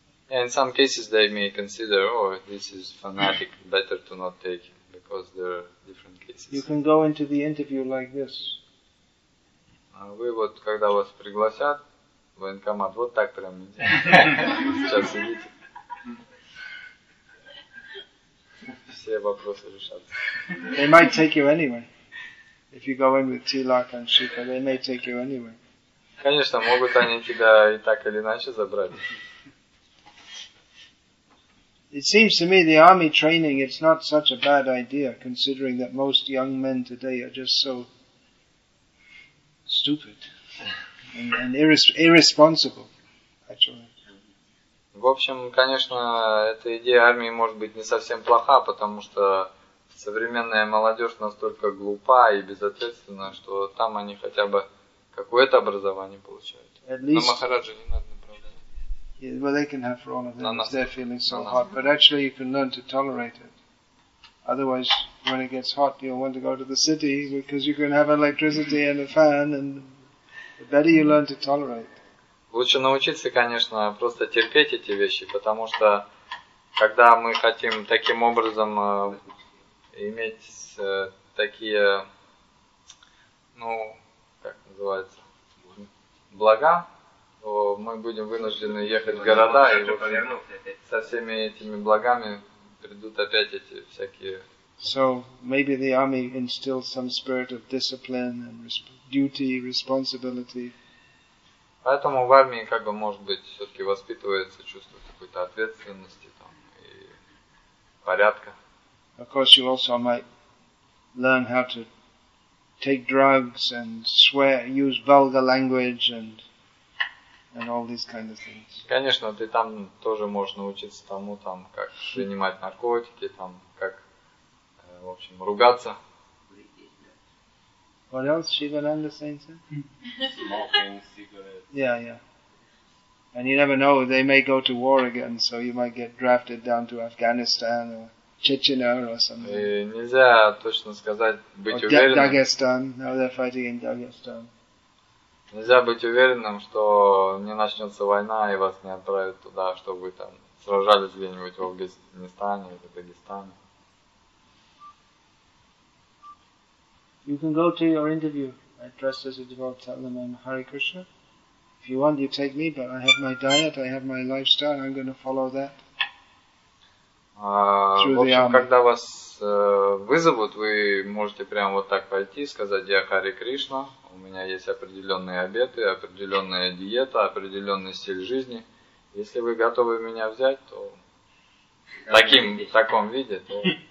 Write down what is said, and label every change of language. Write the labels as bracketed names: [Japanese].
[English] Yeah, in some cases they may consider, oh, this is fanatic, better to not take him, because there are different cases. You can go into the interview like this. [Russian] Вы вот, когда вас пригласят в военкомат, вот так прямо сейчас сидите. Все вопросы решатся. [English] They might take you anyway. If you go in with Tilak and Shika, they may take you anyway. [Russian] Конечно, могут они тебя и так или иначе забрать. [English] It seems to me the army training it's not such a bad idea considering that most young men today are just so stupid and irresponsible actually. [Russian] В общем, конечно, эта идея армии может быть не совсем плоха, потому что современная молодежь настолько глупа и безответственна, что там они хотя бы какое-то образование получают. Но Махараджа не надо. [English] Yeah, well, they can have for all of them if they're feeling so hot. But actually, you can learn to tolerate it. Otherwise, when it gets hot, you'll want to go to the city because you can have electricity and a fan, and the better you learn to tolerate. [Russian] Лучше научиться, конечно, просто терпеть эти вещи, потому что когда мы хотим таким образом иметь такие, ну, как называется, блага. Мы будем вынуждены ехать в города, и в общем, со всеми этими благами придут опять эти всякие. [English] So maybe the army instills some spirit of discipline and duty, responsibility. [Russian] Поэтому в армии как бы может быть все-таки воспитывается чувство какой-то ответственности там и порядка. [English] Of course, you also might learn how to take drugs and swear, use vulgar language and all these kind of things. [Russian] Конечно, ты там тоже можешь научиться тому, там, как принимать наркотики, там, как, в общем, ругаться. [English] What else, Shivananda Saint said? Smoking cigarettes. Yeah, yeah. And you never know, they may go to war again, so you might get drafted down to Afghanistan or Chechnya or something. [Russian] И нельзя точно сказать, быть уверенным. [English] Dagestan, now they're fighting in Dagestan. [Russian] Нельзя быть уверенным, что не начнется война и вас не отправят туда, чтобы вы там сражались где-нибудь в Афганистане или Дагестане. [English] You can go to your interview. I dressed as a devotee, tell them I'm Hare Krishna. If you want, you take me, but I have my diet, I have my lifestyle, I'm going to follow that. [Russian] Когда вас вызовут, вы можете прямо вот так пойти и сказать, я Харе Кришна, у меня есть определенные обеты, определенная диета, определенный стиль жизни. Если вы готовы меня взять, то в таком виде, то